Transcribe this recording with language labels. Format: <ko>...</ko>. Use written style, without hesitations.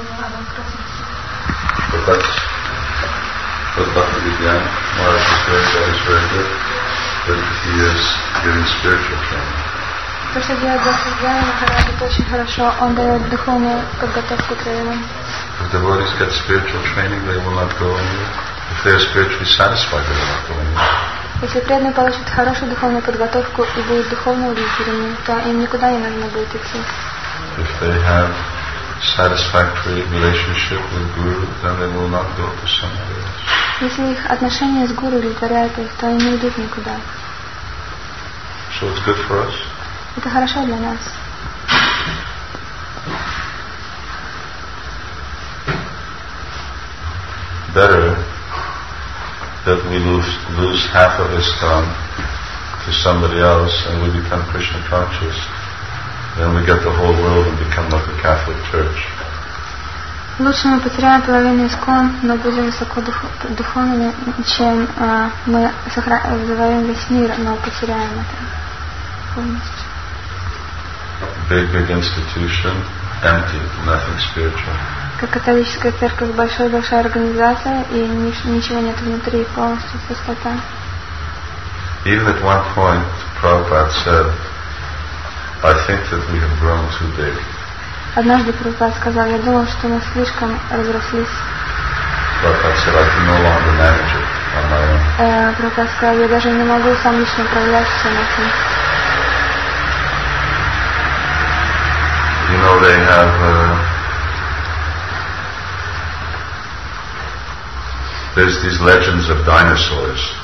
<en>But that's what Bhakti Vidyan Maharaj is very good. He's very good that he is giving spiritual training.</en> <ru>То, что делает Бхакти Вьяна Махарадж, это очень хорошо. Он дает духовную подготовку к тренингам.</ru> <en>If the devotees get spiritual training, they will not go anywhere. If they are spiritually satisfied, they will not go anywhere.</en> <ru>Если преданный получит хорошую духовную подготовку и будет духовно удовлетворен, то им никуда не нужно будет идти.</ru> <en>If they have satisfactory relationship with Guru, then they will not go to somewhere else.</en> <ru>Если их отношения с Гуру удовлетворяют их, то они не идут никуда.</ru> <en>So it's good for us.</en> <ru>Это хорошо для нас.</ru> <en>Better that we lose half of ISKCON to somebody else and we become Krishna conscious than we get the whole world and become like a Catholic Church.</en> <ru>Лучше мы потеряем половину ИСККОН, но будем высоко духовными, чем мы завоюем весь мир, но потеряем это полностью.</ru> <en>Big institution, empty, nothing spiritual.</en> <ru>Как католическая церковь, большая организация, и ничего нет внутри, полностью пустота.</ru> <en>Even at one point, Prabhupada said, "I think that we have grown too big."</en> <ru>Однажды Прабхупада сказал, я думал, что мы слишком разрослись.</ru> <en>Prabhupada said, "I can no longer manage it on my own."</en> <ru>Прабхупада сказал, я даже не могу сам лично управлять всем этим.</ru> <en>You know they have there's these legends of dinosaurs.</en>